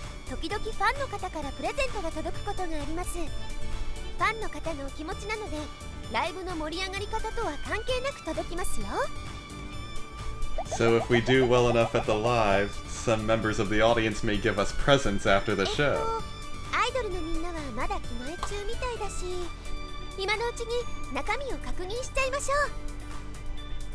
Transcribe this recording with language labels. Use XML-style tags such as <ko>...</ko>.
<ja>時々ファンの方からプレゼントが届くことがあります。ファンの方のお気持ちなのでライブの盛り上がり方とは関係なく届きますよ。</ja> <en>So if we do well enough at the live, some members of the audience may give us presents after the show.</en> <ja>アイドルのみんなはまだ着替え中みたいだし、今のうちに中身を確認しちゃいましょう。</ja>